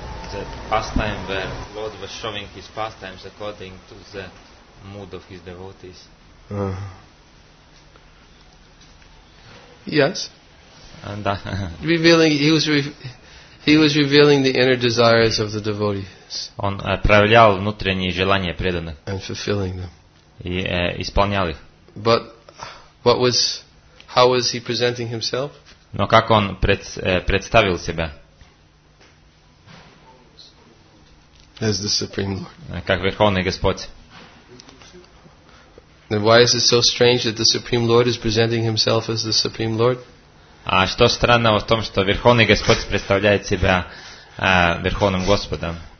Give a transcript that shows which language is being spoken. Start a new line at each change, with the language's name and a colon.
English: said pastime where Lord was showing his pastimes according to the mood of his devotees. Yes. And revealing, he was revealing the inner desires of the devotees.
Russian: Он проявлял внутренние желания преданных.
English: And fulfilling them.
Russian: И исполнял их.
English: But what was, how was he presenting himself?
Russian: Но как он представил себя?
English: As the Supreme Lord.
Russian: Как Верховный Господь.
English: Then why is it so strange that the Supreme Lord is presenting himself as the Supreme Lord?
Russian: А что странного в том, что Верховный Господь представляет себя Верховным Господом?